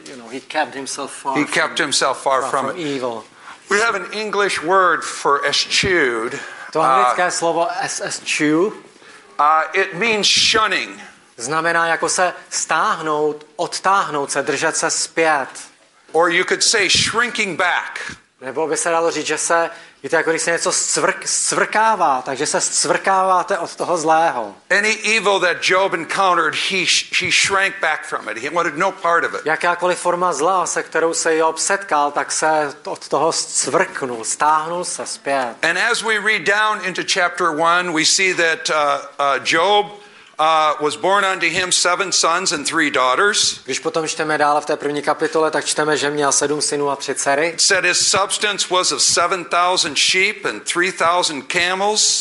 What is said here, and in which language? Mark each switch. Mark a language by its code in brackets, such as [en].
[en] He avoided, he made a wrong detour, or he kept himself far from evil. We have an English word for eschewed. [cs] To anglické slovo eschew. [en] It means shunning. [cs] Znamená jako se stáhnout, odtáhnout se, držet se zpět. [en] Or you could say shrinking back. [cs] Nebo by se dalo říct, že se, víte, jako když se něco svrkává, takže se svrkáváte od toho zlého. [en] Any evil that Job encountered, he shrank back from it. He wanted no part of it. [cs] Jakákoliv forma zla, se kterou se Job setkal, tak se od toho svrknul, stáhnul se zpět. [en] And as we read down into chapter 1, we see that Job was born unto him 7 sons and 3 daughters. [cs] Když potom čteme dál v té první kapitole, tak čteme, že měl 7 synů a 3 dcery. [en] Said his substance was of 7,000 sheep and 3,000 camels.